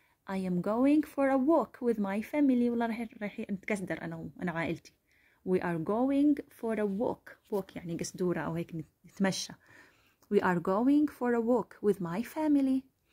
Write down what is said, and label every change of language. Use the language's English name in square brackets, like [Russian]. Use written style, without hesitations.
[English] I am going for a walk with my family. [Arabic] والله رح نتقصدر أنا عائلتي. [English] We are going for a walk. [Arabic] Walk يعني قصدورة أو هيك نتمشى. [English] We are going for a walk with my family.